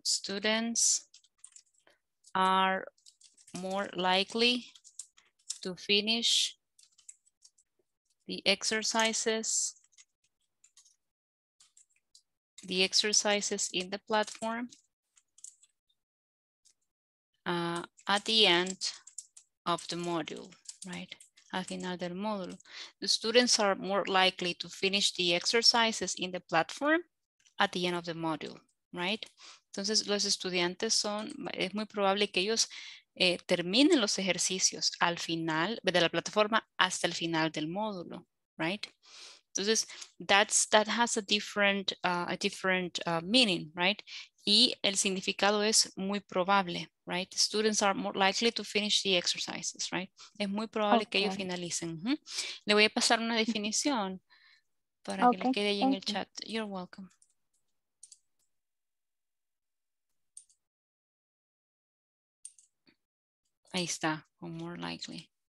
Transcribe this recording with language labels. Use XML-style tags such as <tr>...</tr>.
<en>Students are more likely to finish the exercises in the platform at the end of the module, right?</en> <es>Al final del módulo.</es> <en>The students are more likely to finish the exercises in the platform at the end of the module, right?</en> <es>Entonces, los estudiantes son, es muy probable que ellos terminen los ejercicios al final de la plataforma hasta el final del módulo,</es> <en>right?</en> <es>Entonces,</es> <en>that has a different meaning, right?</en> <es>Y el significado es muy probable,</es> <en>right? Students are more likely to finish the exercises, right?</en> <es>Es muy probable okay. que ellos finalicen. Uh-huh. Le voy a pasar una definición para okay. que le quede ahí en el chat.</es> <en>You're welcome.</en> <es>Ahí está,</es> <en>or more likely.</en>